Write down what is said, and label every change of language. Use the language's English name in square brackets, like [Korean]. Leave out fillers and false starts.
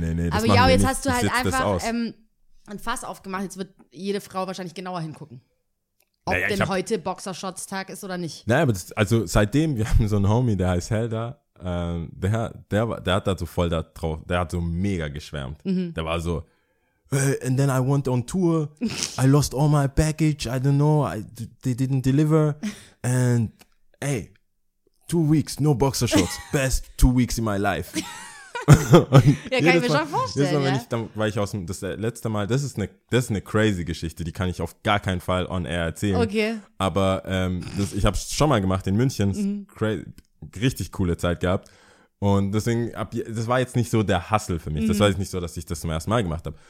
[German] Das, aber ja, jetzt hast du halt einfach ein Fass aufgemacht. Jetzt wird jede Frau wahrscheinlich genauer hingucken, ob naja, denn heute Boxershorts-Tag ist oder nicht. Naja, aber das, also seitdem, wir haben so einen Homie, der heißt Helder, der hat da so voll da drauf, der hat so mega geschwärmt. Mhm. [English] Der war so, and then I went on tour, I lost all my baggage, I don't know, they didn't deliver, and hey, 2 weeks, no boxer shorts, best 2 weeks in my life. [German] Ja, kann ich mir schon vorstellen. Mal, ja? Ich, dann war ich aus dem, das letzte Mal, das ist eine crazy Geschichte, die kann ich auf gar keinen Fall on air erzählen. Okay. Aber das, ich habe es schon mal gemacht in München, mhm, richtig coole Zeit gehabt. Und deswegen, das war jetzt nicht so der Hustle für mich. Mhm. Das war jetzt nicht so, dass ich das zum ersten Mal gemacht habe.